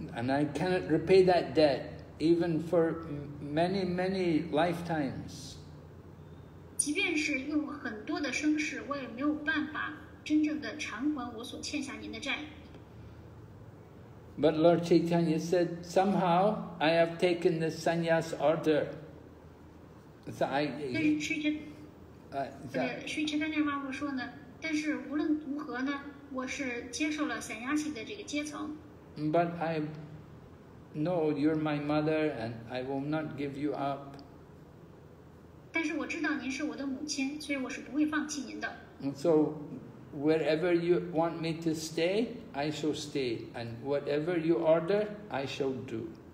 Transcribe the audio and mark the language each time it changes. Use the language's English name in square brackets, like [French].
[English] I cannot repay that debt even for many, many lifetimes. [Chinese] 即便是用很多的生死，我也没有办法真正的偿还我所欠下您的债。 [English] But Lord Chaitanya said, "Somehow I have taken the sannyas order." But I know you're my mother, and I will not give you up. [Chinese] 但是我知道您是我的母亲，所以我是不会放弃您的。 [English] So wherever you want me to stay, I shall stay, and whatever you order, I shall do.